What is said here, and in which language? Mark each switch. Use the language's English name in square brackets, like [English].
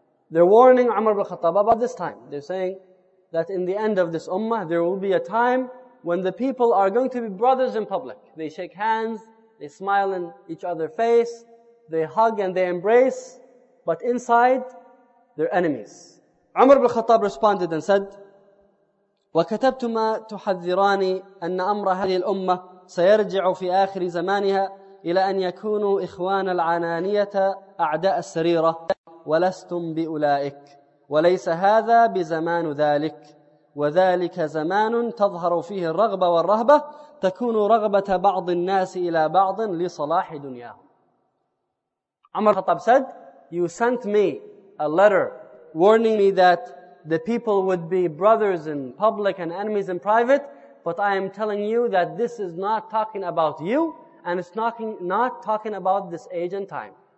[English] They're warning Umar ibn Khattab about this time. They're saying that in the end of this ummah, there will be a time when the people are going to be brothers in public. They shake hands, they smile in each other's face, they hug and they embrace, but inside, they're enemies. Umar ibn Khattab responded and said, [Arabic] وَكَتَبْتُمَا تُحَذِّرَانِي أَنَّ أَمْرَ هَذِهِ الْأُمَّةِ سَيَرْجِعُ فِي آخِرِ زَمَانِهَا إِلَى أَنْ يَكُونُوا إِخْوَانَ الْعَنَانِيَةَ أَعْدَاءَ السَّرِيرَةِ وَلَسْتُمْ بِأُولَئِكَ وَلَيْسَ هَذَا بِزَمَانُ ذَلِكَ وَذَلِكَ زَمَانٌ تَظْهَرُ فِيهِ الرَّغْبَةُ وَالرَّهْبَةُ تَكُونُ رَغْبَةَ بَعْضِ النَّاسِ إِلَى بَعْضٍ لِصَلَاحِ دُنْيَاهُمْ. [English] Umar Khattab said, you sent me a letter warning me that the people would be brothers in public and enemies in private, but I am telling you that this is not talking about you, and it's not talking about this age and time.